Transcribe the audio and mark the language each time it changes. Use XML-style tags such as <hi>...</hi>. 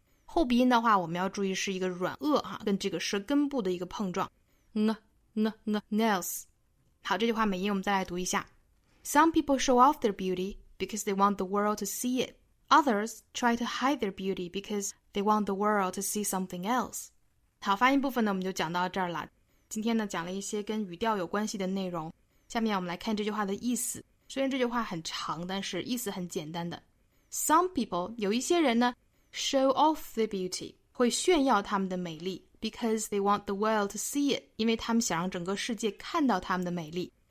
<zh>后鼻音的话我们要注意是一个软腭跟这个舌根部的一个碰撞。 Nails 好，这句话美音我们再来读一下。</zh> <en>Some people show off their beauty because they want the world to see it. Others try to hide their beauty because they want the world to see something else.</en> <zh>好，发音部分呢，我们就讲到这儿了。今天呢，讲了一些跟语调有关系的内容。下面我们来看这句话的意思。虽然这句话很长，但是意思很简单的。</zh> <en>Some people,</en> <zh>有一些人呢</zh> <en>show off their beauty,</en> <zh>会炫耀他们的美丽</zh> <en>because they want the world to see it,</en> <zh>因为他们想让整个世界看到他们的美丽。</zh>